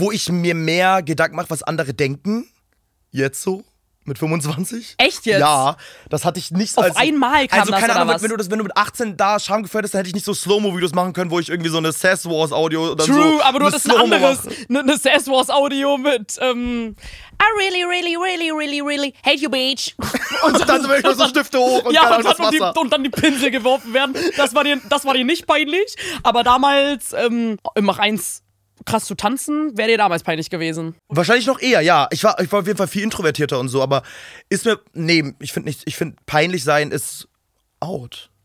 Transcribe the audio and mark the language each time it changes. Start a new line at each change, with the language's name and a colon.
German: Wo ich mir mehr Gedanken mache, was andere denken. Jetzt so? Mit 25? Echt jetzt? Ja. Das hatte ich nicht so. Auf einmal kam also, das keine oder Ahnung, was? Wenn du mit 18 da Scham geführt hast, dann hätte ich nicht so Slow-Mo-Videos machen können, wo ich irgendwie so eine Sass Wars Audio oder so. True, aber du hattest ein anderes. Eine Sass Wars Audio mit.
English: I really, really, really, really, really hate you, bitch.
German: Und dann so wirklich so Stifte hoch und, ja, keine und dann Wasser. Und dann die Pinsel geworfen werden. Das war dir nicht peinlich. Aber damals, mach eins. Krass zu tanzen, wäre dir damals peinlich gewesen. Wahrscheinlich noch eher, ja. Ich war auf jeden Fall viel introvertierter und so, aber ist mir. Nee, ich finde, peinlich sein ist out.